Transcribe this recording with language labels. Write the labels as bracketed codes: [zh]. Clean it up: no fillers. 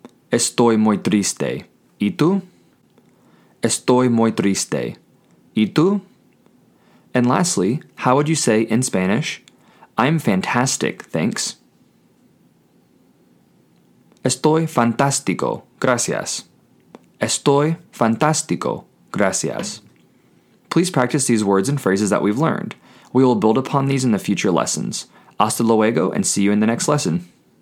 [es] Estoy muy triste. ¿Y tú? Estoy muy triste. ¿Y tú? [en] And lastly, how would you say in Spanish, I'm fantastic, thanks? [es] Estoy fantástico, gracias. Estoy fantástico, gracias. [en] Please practice these words and phrases that we've learned. We will build upon these in the future lessons. [es] Hasta luego [en] and see you in the next lesson.